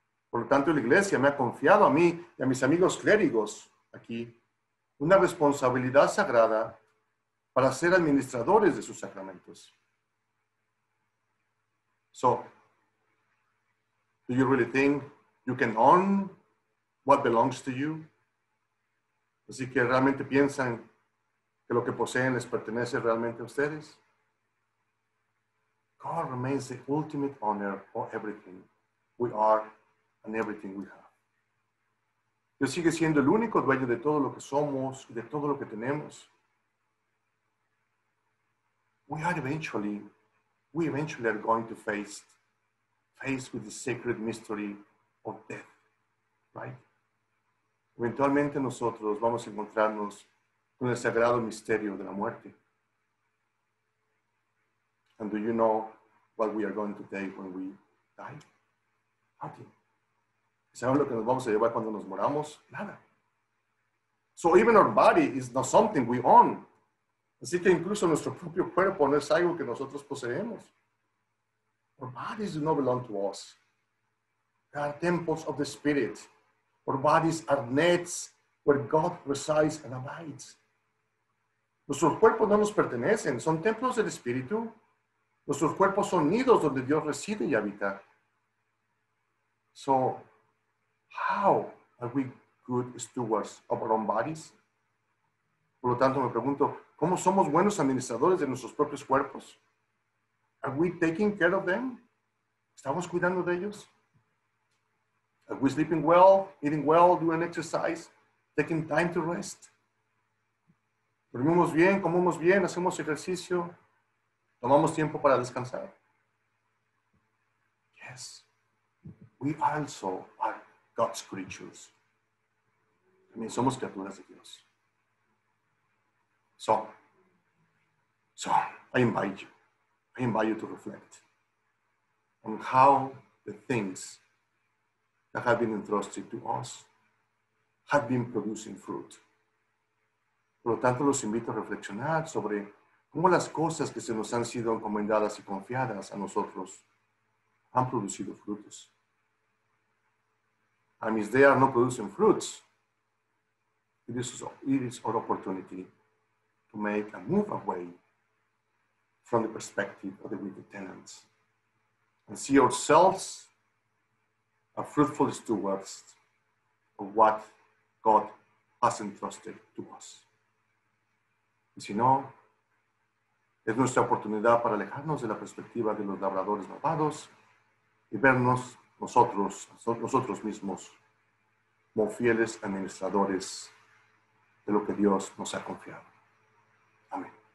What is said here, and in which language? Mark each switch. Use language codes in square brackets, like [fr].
[es] Por lo tanto, la iglesia me ha confiado a mí y a mis amigos clérigos aquí una responsabilidad sagrada para ser administradores de sus sacramentos. [en] So, do you really think you can own what belongs to you? [es] ¿Así que realmente piensan que lo que poseen les pertenece realmente a ustedes? [en] God remains the ultimate owner of everything we are and everything we have. [es] Dios sigue siendo el único dueño de todo lo que somos, de todo lo que tenemos. [en] We eventually are going to face with the sacred mystery of death, right? [es] Eventualmente nosotros vamos a encontrarnos con el sagrado misterio de la muerte. [en] And do you know what we are going to take when we die? Nothing. [es] ¿Saben lo que nos vamos a llevar cuando nos moramos? Nada. [en] So even our body is not something we own. [es] Así que incluso nuestro propio cuerpo no es algo que nosotros poseemos. [en] Our bodies do not belong to us. They are temples of the spirit. Our bodies are nets where God resides and abides. [es] Nuestros cuerpos no nos pertenecen. Son templos del espíritu. Nuestros cuerpos son nidos donde Dios reside y habita. [en] So, how are we good stewards of our own bodies? [es] Por lo tanto, me pregunto, ¿cómo somos buenos administradores de nuestros propios cuerpos? [en] Are we taking care of them? [es] ¿Estamos cuidando de ellos? [en] Are we sleeping well, eating well, doing exercise, taking time to rest? [es] ¿Dormimos bien, comemos bien, hacemos ejercicio, tomamos tiempo para descansar? [en] Yes, we also are God's creatures. [es] También somos criaturas de Dios. [en] So, I invite you to reflect on how the things that have been entrusted to us have been producing fruit [es] Por lo tanto, los invito a reflexionar sobre cómo las cosas que se nos han sido encomendadas y confiadas a nosotros han producido frutos. [en] Our misdeas are not producing fruits. It is our opportunity to make a move away from the perspective of the wicked tenants and see ourselves as fruitful stewards of what God has entrusted to us. [es] Y si no, es nuestra oportunidad para alejarnos de la perspectiva de los labradores malvados y vernos nosotros mismos como fieles administradores de lo que Dios nos ha confiado. Amén.